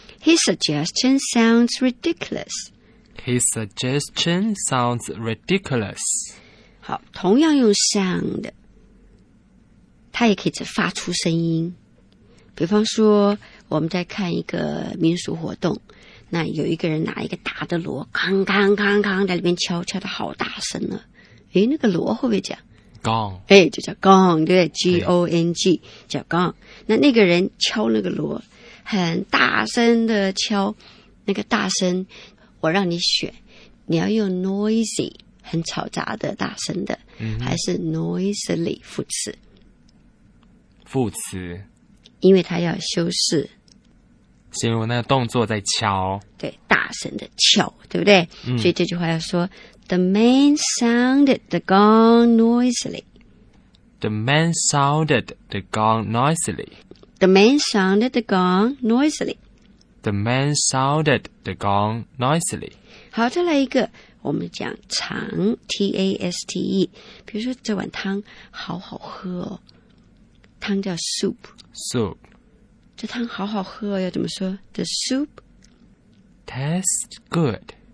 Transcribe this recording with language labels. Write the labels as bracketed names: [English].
[English] His suggestion sounds ridiculous. His suggestion sounds ridiculous. [Chinese] 好，同样用 sound， 它也可以指发出声音。比方说，我们在看一个民俗活动，那有一个人拿一个大的锣，咔咔咔咔在里面敲，敲的好大声呢、啊。诶，那个锣会不会讲 [English] gong？ [Chinese] 诶，就叫 gong， 对不对 ？G-O-N-G 叫 gong。那那个人敲那个锣，很大声的敲，那个大声，我让你选，你要用 noisy 很吵杂的大声的，还是 noisily 副词？副词，因为它要修饰。形容那个动作在敲，对，大声的敲，对不对？所以这句话要说 [English] ，The man sounded the gong noisily. The man sounded the gong noisily. The man sounded the gong noisily. The man sounded the gong noisily. [Chinese] 好，再来一个，我们讲汤 ，T-A-S-T-E。比如说这碗汤好好喝哦，汤叫 soup。 [English] Soup。 [Chinese] 这汤好好喝哦，要怎么说 ？ [English] The soup tastes good.